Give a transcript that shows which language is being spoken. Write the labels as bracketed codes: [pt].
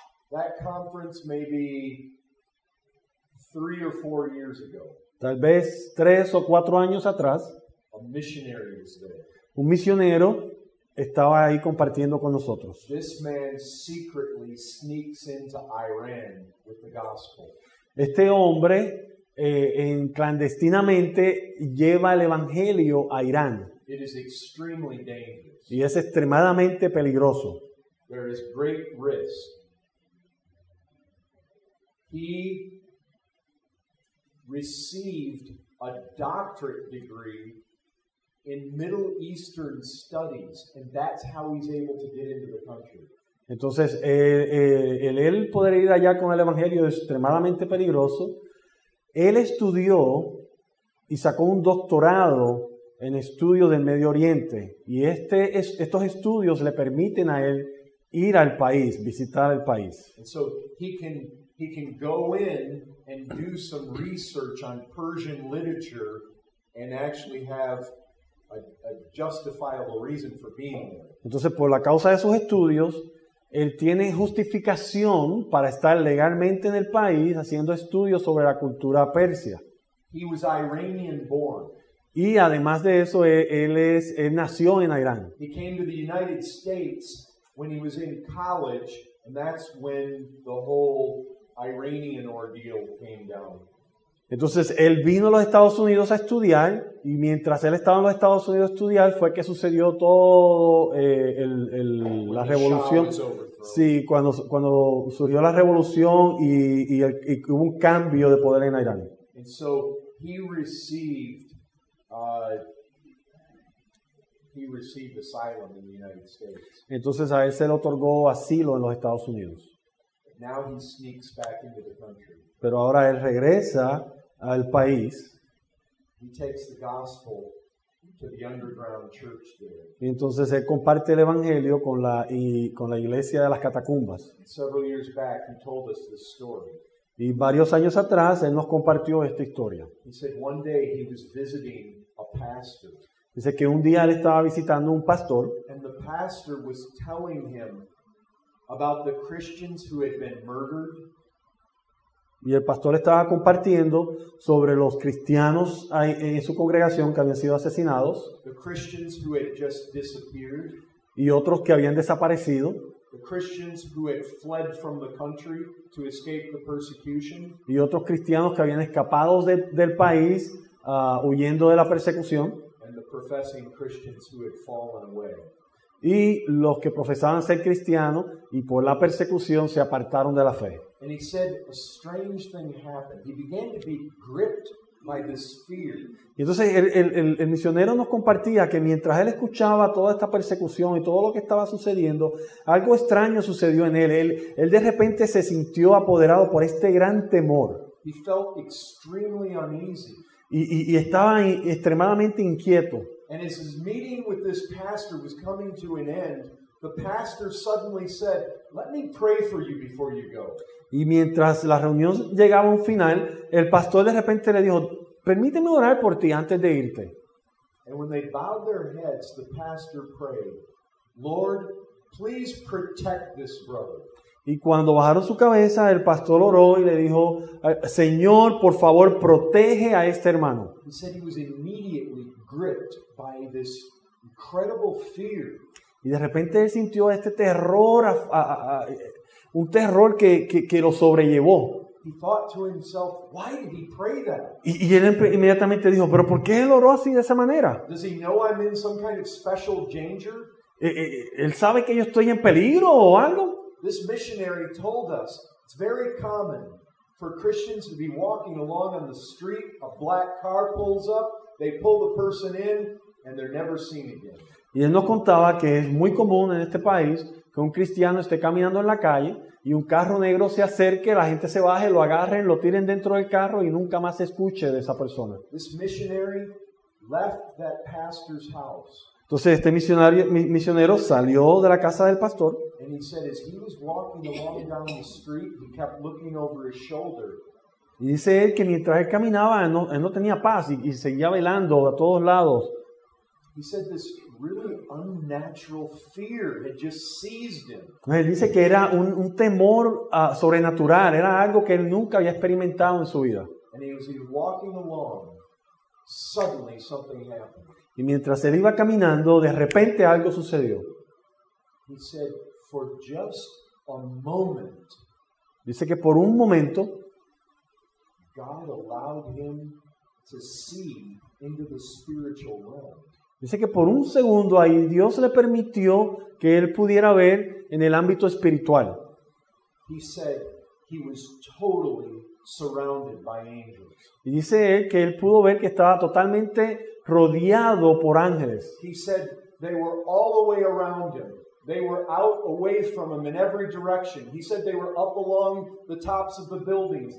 [en] That conference may be 3 or 4 years ago. [es] Tal vez 3 o 4 años atrás, [en] a missionary was there. [es] Un misionero estaba ahí compartiendo con nosotros. [en] This man secretly sneaks into Iran with the gospel. [es] Este hombre clandestinamente lleva el evangelio a Irán. [en] It is extremely dangerous. [es] Y es extremadamente peligroso. [en] There is great risk. He received a doctorate degree in Middle Eastern studies, and that's how he's able to get into the country. [es] Entonces, el poder ir allá con el evangelio es extremadamente peligroso. Él estudió y sacó un doctorado en estudios del Medio Oriente, y estos estudios le permiten a él ir al país, visitar el país. [en] And so he can go in and do some research on Persian literature and actually have a justifiable reason for being there. [es] Entonces, por la causa de sus estudios, él tiene justificación para estar legalmente en el país haciendo estudios sobre la cultura persia. [en] He was Iranian born. [es] Y además de eso, él nació en Irán. [en] He came to the United States when he was in college, and that's when the whole Iranian ordeal came down. [es] Entonces, él vino a los Estados Unidos a estudiar, y mientras él estaba en los Estados Unidos a estudiar, fue que sucedió todo la revolución. Sí, cuando surgió la revolución y hubo un cambio de poder en Irán. [en] And so he received asylum in the United States. [es] Entonces, a él se le otorgó asilo en los Estados Unidos. [en] Now he sneaks back into the country. [es] Pero ahora él regresa al país. [en] He takes the gospel to the underground church there. [es] Y entonces él comparte el evangelio con la y con la iglesia de las catacumbas. [en] Several years back, he told us this story. [es] Y varios años atrás él nos compartió esta historia. [en] He said one day he was visiting a pastor. [es] Dice que un día él estaba visitando un pastor. [en] And the pastor was telling him about the Christians who had been murdered. [es] Y el pastor estaba compartiendo sobre los cristianos en su congregación que habían sido asesinados. [en] The Christians who had just disappeared. [es] Y otros que habían desaparecido. [en] The Christians who had fled from the country to escape the persecution. [es] Y otros cristianos que habían escapado del país huyendo de la persecución. [en] And the professing Christians who had fallen away. [es] Y los que profesaban ser cristianos y por la persecución se apartaron de la fe. [en] And he said a strange thing happened. He began to be gripped by this fear. [es] Y entonces el misionero nos compartía que mientras él escuchaba toda esta persecución y todo lo que estaba sucediendo, algo extraño sucedió en él. Él de repente se sintió apoderado por este gran temor. [en] He felt extremely uneasy. [es] Y estaba extremadamente inquieto. [en] And as his meeting with this pastor was coming to an end, the pastor suddenly said, "Let me pray for you before you go." [es] Y mientras la reunión llegaba a un final, el pastor de repente le dijo, "Permíteme orar por ti antes de irte." [en] And when they bowed their heads, the pastor prayed, "Lord, please protect this brother." [es] Y cuando bajaron su cabeza, el pastor oró y le dijo, "Señor, por favor, protege a este hermano." [en] He said he was immediately gripped by this incredible fear. [es] Y de repente él sintió este terror, un terror que lo sobrellevó. [en] He thought to himself, "Why did he pray that?" [es] Y él inmediatamente dijo, "¿Pero por qué él oró así de esa manera?" [en] Does he know I'm in some kind of special danger? [es] ¿Él sabe que yo estoy en peligro o algo? [en] This missionary told us it's very common for Christians to be walking along on the street, a black car pulls up, they pull the person in, and they're never seen again. [es] Y él nos contaba que es muy común en este país que un cristiano esté caminando en la calle y un carro negro se acerque, la gente se baje, lo agarren, lo tiren dentro del carro y nunca más se escuche de esa persona. [en] This missionary left that pastor's house. [es] Entonces este misionero salió de la casa del pastor. [en] And he said as he was walking along down the street, he kept looking over his shoulder. [es] Y dice él que mientras él caminaba, él no tenía paz y seguía velando a todos lados. [en] He said this really unnatural fear had just seized him. [es] Él dice que era un temor sobrenatural, era algo que él nunca había experimentado en su vida. [en] And as he was walking along, suddenly something happened. [es] Y mientras él iba caminando, de repente algo sucedió. [en] He said, "For just a moment." [es] Dice que por un momento, [en] God allowed him to see into the spiritual realm. [es] Dice que por un segundo ahí Dios le permitió que él pudiera ver en el ámbito espiritual. [en] He said he was totally surrounded by angels. [es] Y dice él que él pudo ver que estaba totalmente rodeado por ángeles. [en] He said they were all the way around him. They were out away from him in every direction. He said they were up along the tops of the buildings.